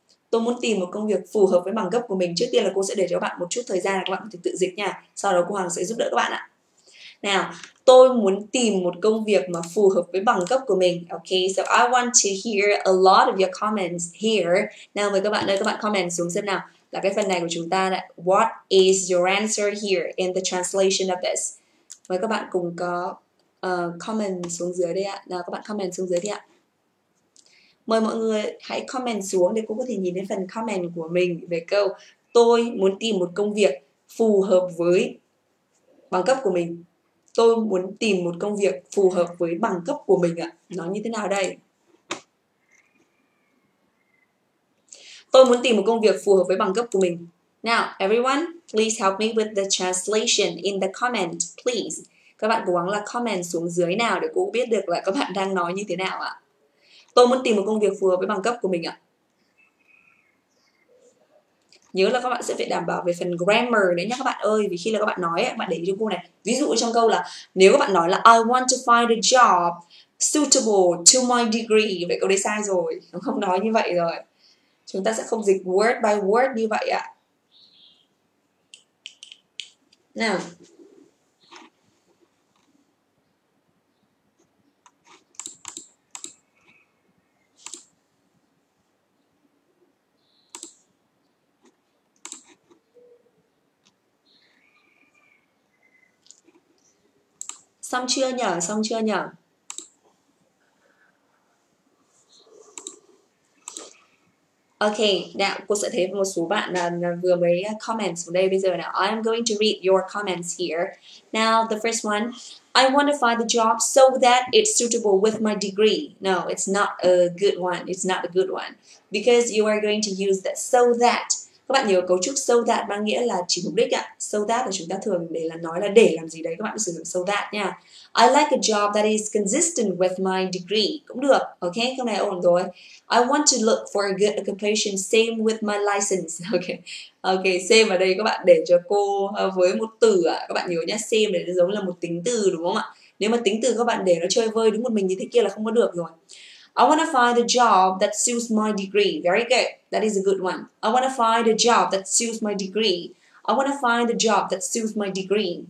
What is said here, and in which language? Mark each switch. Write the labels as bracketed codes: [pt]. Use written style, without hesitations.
[vi] Tôi muốn tìm một công việc phù hợp với bằng cấp của mình. Trước tiên là cô sẽ để cho các bạn một chút thời gian là các bạn có thể tự dịch nha. Sau đó cô Hằng sẽ giúp đỡ các bạn ạ. Nào, tôi muốn tìm một công việc mà phù hợp với bằng cấp của mình. [en] Okay, so I want to hear a lot of your comments here. [vi] Nào, mời các bạn ơi, các bạn comment xuống xem nào. Là cái phần này của chúng ta đã. [en] What is your answer here in the translation of this? [vi] Mời các bạn cùng có comment xuống dưới đây ạ. Nào, các bạn comment xuống dưới đi ạ. Mời mọi người hãy comment xuống để cô có thể nhìn đến phần comment của mình về câu tôi muốn tìm một công việc phù hợp với bằng cấp của mình. Tôi muốn tìm một công việc phù hợp với bằng cấp của mình ạ. Nó như thế nào đây? Tôi muốn tìm một công việc phù hợp với bằng cấp của mình. [en] Now, everyone, please help me with the translation in the comment, please. [vi] Các bạn cố gắng là comment xuống dưới nào để cô biết được là các bạn đang nói như thế nào ạ. Tôi muốn tìm một công việc phù hợp với bằng cấp của mình ạ. Nhớ là các bạn sẽ phải đảm bảo về phần grammar đấy nha các bạn ơi. Vì khi là các bạn nói, các bạn để ý cho cô này. Ví dụ trong câu là, nếu các bạn nói là [en] I want to find a job suitable to my degree. [vi] Vậy câu đấy sai rồi, nó không nói như vậy rồi. Chúng ta sẽ không dịch [en] word by word [vi] như vậy ạ. Now, xong chưa nhở? Xong chưa nhở? Ok, nào cô sẽ thấy một số bạn vừa mới comment xuống đây bây giờ nào. [en] I am going to read your comments here. Now, the first one. I want to find the job so that it's suitable with my degree. No, it's not a good one. It's not a good one. Because you are going to use that so that. [vi] Các bạn nhớ cấu trúc so that mang nghĩa là chỉ mục đích ạ. So that là chúng ta thường để là nói là để làm gì đấy. Các bạn sử dụng so that nha. [en] I like a job that is consistent with my degree. [vi] Cũng được. [en] Ok, [vi] câu này ổn rồi. [en] I want to look for a good occupation same with my license. [vi] Ok, okay, same ở đây các bạn để cho cô với một từ ạ. Các bạn nhớ nhá, same để nó giống là một tính từ đúng không ạ? Nếu mà tính từ các bạn để nó chơi vơi đúng một mình như thế kia là không có được rồi. [en] I want to find a job that suits my degree. Very good. That is a good one. I want to find a job that suits my degree. I want to find a job that suits my degree.